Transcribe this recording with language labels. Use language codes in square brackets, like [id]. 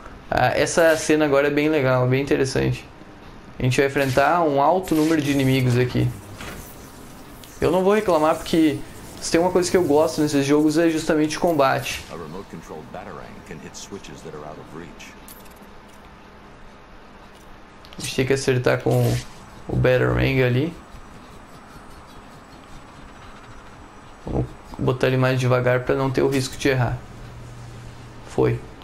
[pt] Essa cena agora é bem legal, bem interessante. A gente vai enfrentar um alto número de inimigos aqui. Eu não vou reclamar porque se tem uma coisa que eu gosto nesses jogos é justamente o combate. [en] A remote controlled batarang can hit switches that are out of reach. [pt] A gente tem que acertar com o Batarang ali. Vamos botar ele mais devagar para não ter o risco de errar. Foi.